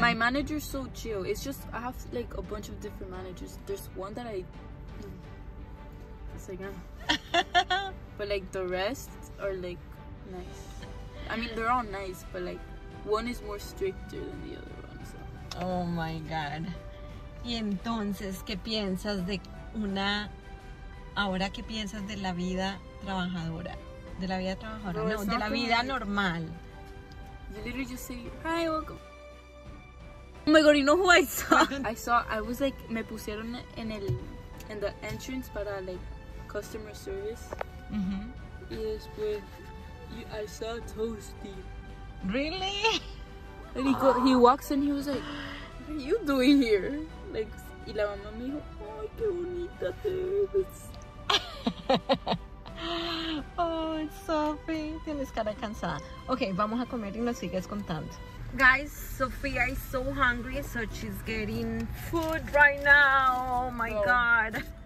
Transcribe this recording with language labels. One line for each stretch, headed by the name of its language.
English: My manager's so chill. It's just I have like a bunch of different managers. There's one that I But like the rest are like nice. I mean they're all nice, but like one is more stricter than the other one. So. Oh my god.
Spanish: Y entonces, ¿qué piensas de una ahora qué piensas de la vida trabajadora? De la vida trabajadora, no, de la vida normal.
English: You literally just say, "Hi, welcome." Oh my god, you know who I saw? I was like
Spanish: me pusieron en el en
English: the entrance para like customer service. Mm-hmm. Yes, but I saw Toasty. Really? And he walks and he was like, "What are you doing here?"
Spanish: Like, y la mamá me dijo, "Ay, qué bonita te ves." Oh, Sophie, tienes cara cansada. Okay, vamos a comer y nos sigues contando.
English: Guys, Sophia is so hungry, so she's getting food right now. Oh my god.